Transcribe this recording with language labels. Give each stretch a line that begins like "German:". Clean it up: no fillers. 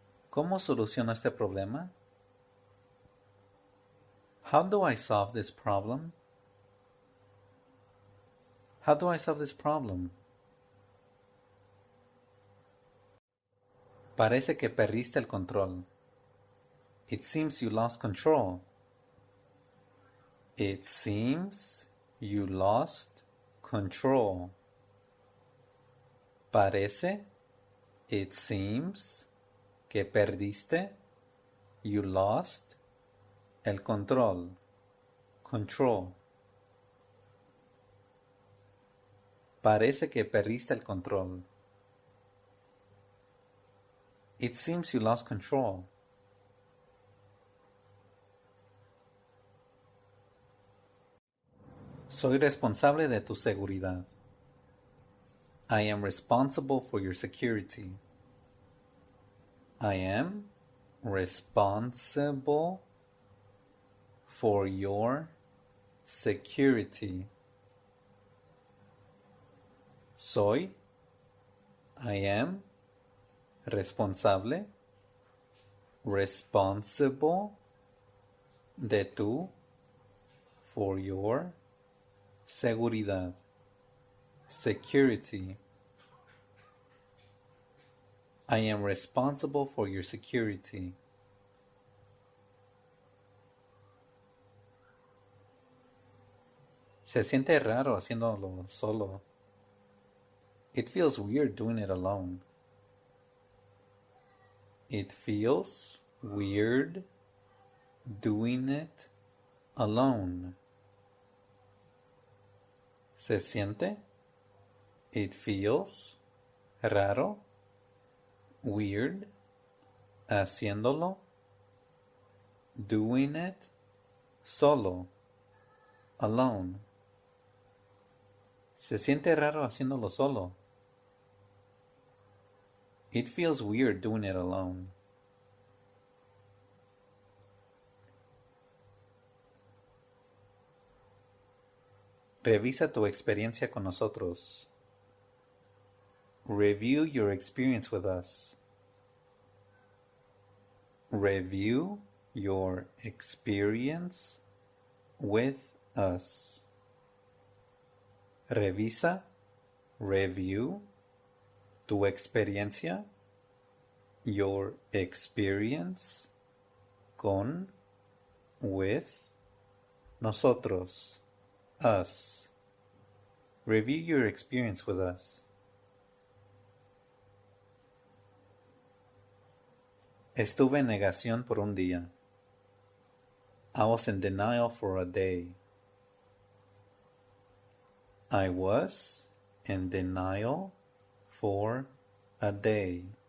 Spanish: ¿Cómo soluciono este problema?
English: How do I solve this problem? How do I solve this problem?
Spanish: Parece que perdiste el control.
English: It seems you lost control. It seems you lost control.
Spanish: Parece,
English: it seems,
Spanish: que perdiste,
English: you lost,
Spanish: el control, control. Parece que perdiste el control.
English: It seems you lost control.
Spanish: Soy responsable de tu seguridad.
English: I am responsible for your security. I am responsible for your security.
Spanish: Soy,
English: I am,
Spanish: responsable,
English: responsible
Spanish: de tu,
English: for your
Spanish: seguridad,
English: security. I am responsible for your security.
Spanish: Se siente raro haciéndolo solo.
English: It feels weird doing it alone. It feels weird doing it alone.
Spanish: Se siente,
English: it feels,
Spanish: raro,
English: weird,
Spanish: haciéndolo,
English: doing it,
Spanish: solo,
English: alone.
Spanish: Se siente raro haciéndolo solo.
English: It feels weird doing it alone.
Spanish: Revisa tu experiencia con nosotros.
English: Review your experience with us. Review your experience with us.
Spanish: Revisa,
English: review,
Spanish: tu experiencia,
English: your experience,
Spanish: con,
English: with,
Spanish: nosotros.
English: Us. Review your experience with us.
Spanish: Estuve en negación por un día.
English: I was in denial for a day. I was in denial for a day.